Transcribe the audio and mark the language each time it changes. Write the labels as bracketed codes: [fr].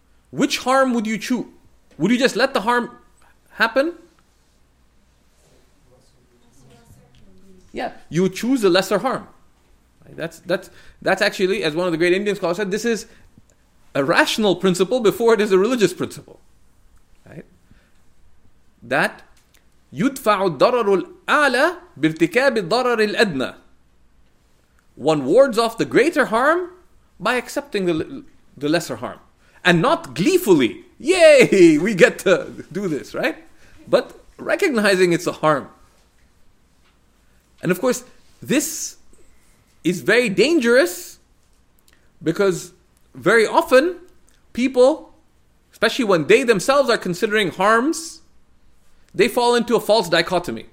[en] Which harm would you choose? Would you just let the harm happen? Yeah, you choose a lesser harm. That's actually, as one of the great Indian scholars said, this is a rational principle before it is a religious principle. [ar] That يُدْفَعُ الضَّرَرُ الْأَعْلَى بِارْتِكَابِ الضَّرَرِ الْأَدْنَى. [en] One wards off the greater harm by accepting the lesser harm. And not gleefully, yay, we get to do this, right? But recognizing it's a harm. And of course, this is very dangerous because very often people, especially when they themselves are considering harms, they fall into a false dichotomy.